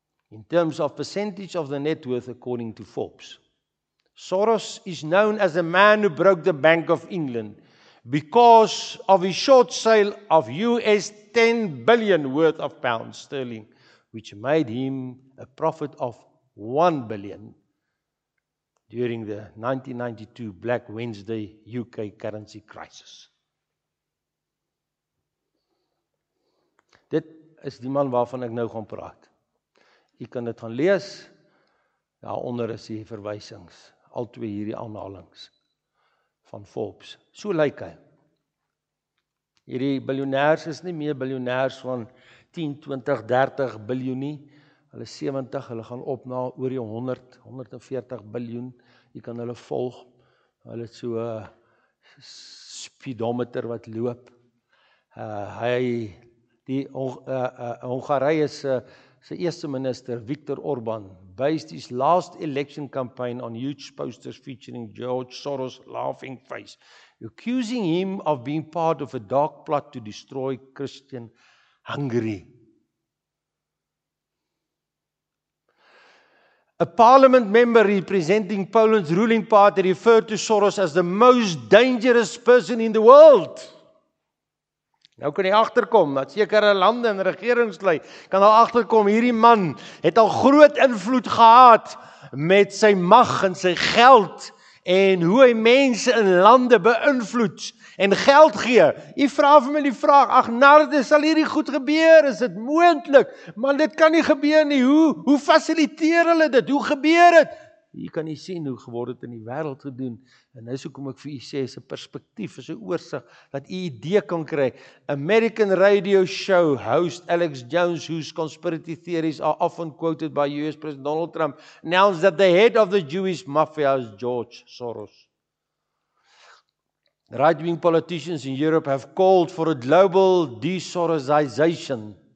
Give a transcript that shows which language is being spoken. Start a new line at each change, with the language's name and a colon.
English: In terms of percentage of the net worth according to Forbes, Soros is known as a man who broke the Bank of England because of his short sale of US 10 billion worth of pounds sterling, which made him a profit of 1 billion during the 1992 Black Wednesday UK currency crisis.
Afrikaans: Dit is die man waarvan ek nou gaan praat. U kan dit gaan lees. Daaronder is die verwysings, al twee hierdie aanhalings van Forbes. So lyk hy. Hierdie biljonêers is nie meer biljonêers van 10, 20, 30 biljoen nie. Hulle 70, hulle gaan op na oor die 100, 140 biljoen. U kan hulle volg. Hulle het so 'n speedometer wat loop. Hongarije se eerste minister
English: Viktor Orban based his last election campaign on huge posters featuring George Soros' laughing face, accusing him of being part of a dark plot to destroy Christian Hungary. A parliament member representing Poland's ruling party referred to Soros as the most dangerous person in the world.
Afrikaans: Nou kan jy agterkom dat sekere lande en regeringslei kan al agterkom hierdie man het al groot invloed gehad met sy mag en sy geld en hoe hy mense in lande beïnvloed en geld gee. U vra vir my die vraag, ag Narde, sal hierdie goed gebeur? Is dit moontlik? Maar dit kan nie gebeur nie. Hoe fasiliteer hulle dit? Hoe gebeur dit? Jy kan nie sien hoe geword het in die wêreld gedoen. En nou is hoekom ek vir u sê, is 'n perspektief, is 'n oorsig, dat u idee kan kry.
English: American radio show host Alex Jones, whose conspiracy theories are often quoted by US President Donald Trump, announced that the head of the Jewish mafia is George Soros. Right-wing politicians in Europe have called for a global de-Sorosization.